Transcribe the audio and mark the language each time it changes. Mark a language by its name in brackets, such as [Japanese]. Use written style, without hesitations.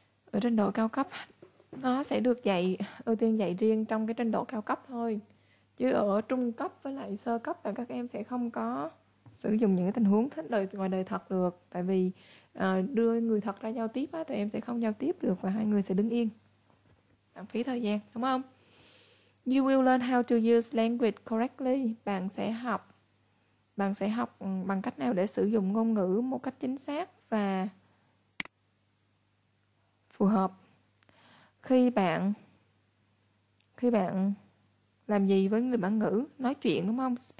[Vietnamese] Ở trình độ cao cấp nó sẽ được dạy, ưu tiên dạy riêng trong cái trình độ cao cấp thôi. Chứ ở trung cấp với lại sơ cấp là các em sẽ không có sử dụng những cái tình huống thích đời ngoài đời thật được. Tại vì đưa người thật ra giao tiếp á, thì em sẽ không giao tiếp được và hai người sẽ đứng yên, lãng phí thời gian, đúng không? [English] You will learn how to use language correctly. [Vietnamese] Bạn sẽ học bằng cách nào để sử dụng ngôn ngữ một cách chính xác và phù hợp. Khi bạn làm gì với người bản ngữ, nói chuyện, đúng không?